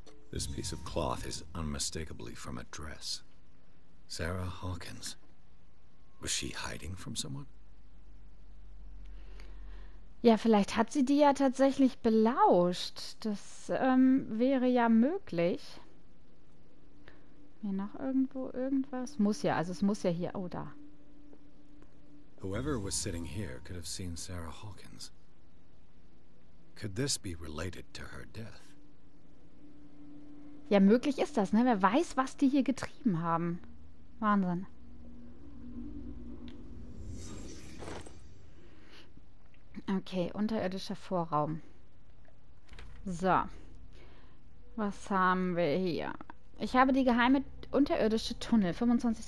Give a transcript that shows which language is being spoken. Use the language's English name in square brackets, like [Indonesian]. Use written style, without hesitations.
[English] This piece of cloth is unmistakably from a dress. Sarah Hawkins. Was she hiding from someone? [German] Ja, vielleicht hat sie die ja tatsächlich belauscht. Das wäre ja möglich. Hier noch irgendwo irgendwas? Muss ja, also es muss ja hier. Oh, da. [English] Whoever was sitting here could have seen Sarah Hawkins. Could this be related to her death? [German] Ja, möglich ist das, ne? Wer weiß, was die hier getrieben haben. Wahnsinn. Okay, unterirdischer Vorraum. So. Was haben wir hier? Ich habe die geheime unterirdische Tunnel, 25.